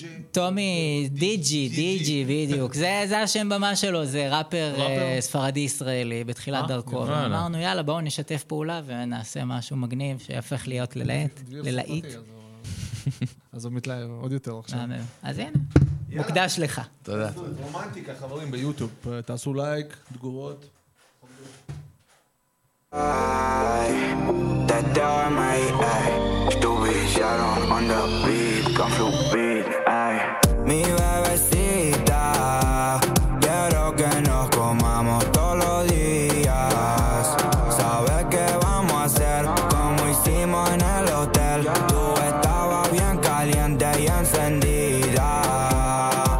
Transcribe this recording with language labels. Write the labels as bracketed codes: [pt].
[he] טומי דיג'י, דיג'י בדיוק, זה השם במה שלו, זה ראפר ספרדי ישראלי בתחילת דרכו, אמרנו יאללה בואו נשתף פעולה ונעשה משהו מגניב שיהפך להיות ללהיט. אז הוא מתלהב עוד יותר עכשיו. אז הנה, מוקדש לך. תודה. רומנטיקה חברים ביוטיוב, תעשו לייק, תגובות. [en] That dog might act stupid. Shot on the beat, come to beat. [es] Ay, mi bebecita, quiero que nos comamos todos los días. Sabes qué vamos a hacer, como hicimos en el hotel. Tú estabas bien caliente y encendida.